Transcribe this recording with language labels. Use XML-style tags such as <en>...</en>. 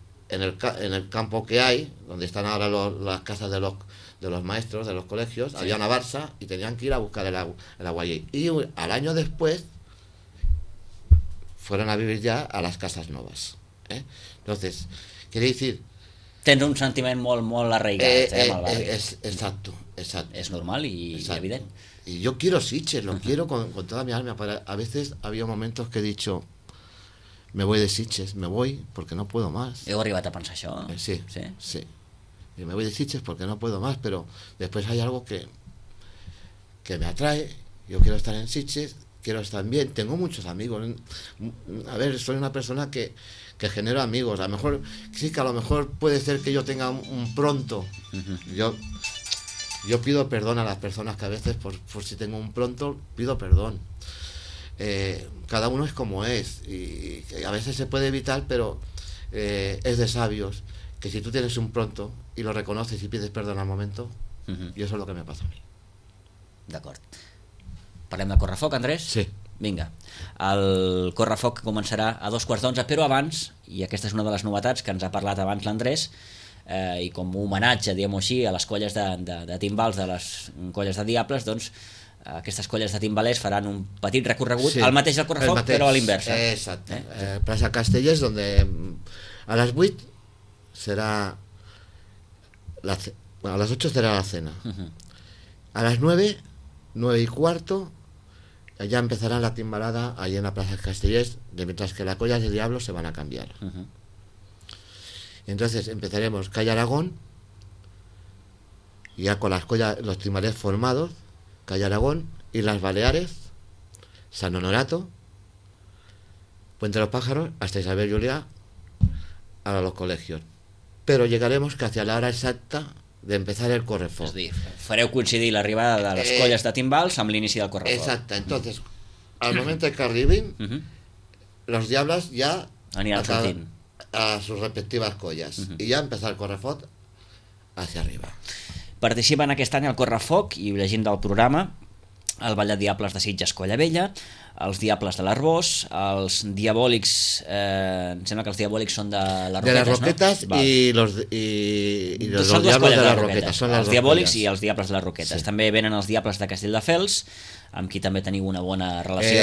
<es>en el campo que hay, donde están ahora las casas de los maestros, de los colegios. Sí. Había una barsa y tenían que ir a buscar el agua allí. Y al año después fueron a vivir ya a las Casas Novas. Entonces, quiere decir...</es> <ca>Tens un sentiment molt, molt arraigat, amb el barri.</ca> <es>Exacto.</es> <ca>És normal i evident.</ca> <es>Y yo quiero Sitges, lo quiero con toda mi alma. A veces había momentos que he dicho, me voy de Sitges, me voy porque no puedo más.</es> <ca>Heu arribat a pensar això? Sí.</ca> <es>Y me voy de Sitges porque no puedo más, pero después hay algo que me atrae. Yo quiero estar en Sitges, quiero estar bien. Tengo muchos amigos. A ver, soy una persona que genero amigos. A lo mejor, sí que a lo mejor puede ser que yo tenga un pronto. Yo pido perdón a las personas que a veces, por si tengo un pronto, pido perdón. Cada uno es como es. Y a veces se puede evitar, pero es de sabios. Que si tú tienes un pronto y lo reconoces y pides perdón al momento, uh-huh. Y eso es lo que me pasa a mí.</es> <ca>D'acord. Parlem de Correfoc, Andrés? Sí. Vinga. El Correfoc començarà a 11:15, però abans, i aquesta és una de les novetats que ens ha parlat abans l'Andrés, i com un homenatge, diguem-ho així, a les colles de timbals, de les colles de diables, doncs aquestes colles de timbalers faran un petit recorregut, sí. El mateix del Correfoc, però a l'inversa. Exacte. Plaça Castellers, on a les 8...</ca> <es>será a las 8 será la cena. Uh-huh. A las 9:15 ya empezará la timbalada allí en la Plaza Castellers, de mientras que las collas de diablo se van a cambiar. Uh-huh. Entonces empezaremos calle Aragón, ya con las collas, los timbales formados, calle Aragón, y las Baleares, San Honorato, Puente de los Pájaros, hasta Isabel Julia, a los colegios. Pero llegaremos casi a la hora exacta de empezar el correfoc.</es> <ca>És a dir, fareu coincidir l'arribada de les colles de timbals amb l'inici del correfoc. Exacte, entonces, al moment que arribin, los diables ja aniran sortint</ca> <es>a sus</es> <ca>respectives colles. Uh-huh. I ja empezar el correfoc</ca> <es>hacia arriba.</es> <ca>Participen aquest any al correfoc, i llegint del programa, el Ball de Diables de Sitges Colla Vella, els Diables de l'Arbós, els Diabòlics, em sembla que els Diabòlics són de les Roquetes, de les Roquetes, no? I els Diables de les Roquetes. Els Diabòlics i els Diables de les Roquetes. Sí. També venen els Diables de Castelldefels, amb qui també teniu una bona relació.</ca>